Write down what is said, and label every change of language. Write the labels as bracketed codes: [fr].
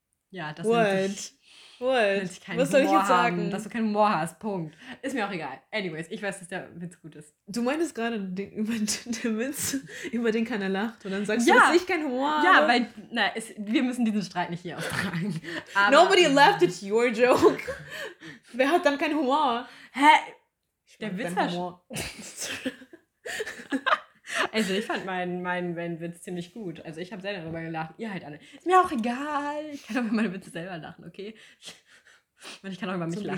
[de] Ja, das ist. [en] What? [de] Was soll ich jetzt sagen? Dass du keinen Humor hast, Punkt. Ist mir auch egal. Anyways, ich weiß, dass der Witz gut ist. Du meintest gerade den Witz, über den keiner lacht. Und dann sagst du, dass ich keinen Humor habe. Ja, weil wir müssen diesen Streit nicht hier austragen. Aber, [en] nobody laughed at your joke. [de] Wer hat dann keinen Humor? Hä? Ich der Witz war Humor. Also ich fand meinen Witz ziemlich gut. Also ich habe selber darüber gelacht. Ihr halt alle. Ist mir auch egal. Ich kann auch über meine Witze selber lachen, okay? Ich kann auch über mich lachen.